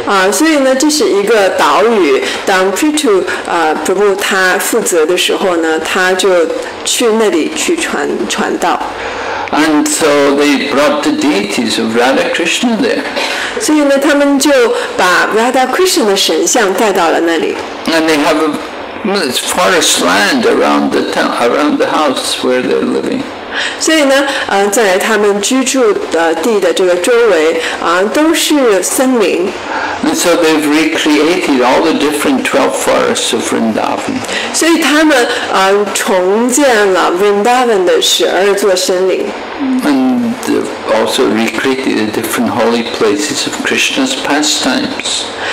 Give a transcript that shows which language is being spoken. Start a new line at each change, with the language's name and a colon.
Chinese: 所以呢，这是一个岛屿。当 Prithu Prabhu 他负责的时候呢，他就去那里去传道。
English: And so they brought the deities of Radha Krishna there.
Chinese: 所以呢，他们就把 Radha Krishna 的神像带到了那里。
English: And they have a forest land around the house where they're living.
Chinese: 所以呢，在他们居住的地的这个周围，都是森林。
English: And so they've recreated all the different 12 forests of Vrindavan.
Chinese: 所以他们重建了 Vrindavan 的12座森林。
English: And they've also recreated the different holy places of Krishna's pastimes.